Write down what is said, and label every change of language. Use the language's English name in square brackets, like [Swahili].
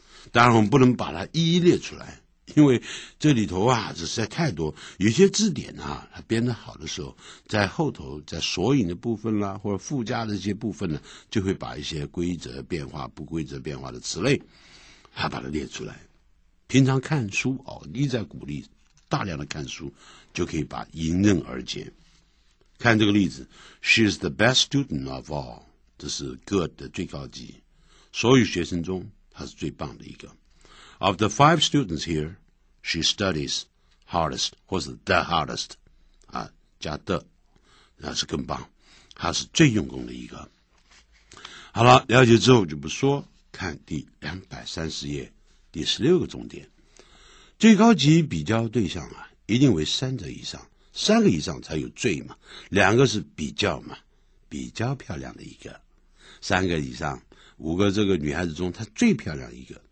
[Chinese] 当然我们不能把它一一列出来。因为这里头啊，实在太多，有些字典啊，它编得好的时候，在后头在索引的部分啦，或者附加的这些部分呢，就会把一些规则变化、不规则变化的词类，它把它列出来。平常看书哦，一再鼓励大量的看书，就可以把迎刃而解。看这个例子 ， [English] She's the best student of all, [Chinese] 这是 good 的最高级，所有学生中她是最棒的一个。 [English] Of the five students here, she studies hardest, [Chinese] 或是 the hardest, 啊，加 the, 那是更棒，她是最用功的一个。好了，了解之后就不说，看第230页第16个重点。最高级比较对象啊，一定为三者以上，三个以上才有最嘛，两个是比较嘛，比较漂亮的一个，三个以上，五个这个女孩子中她最漂亮的一个。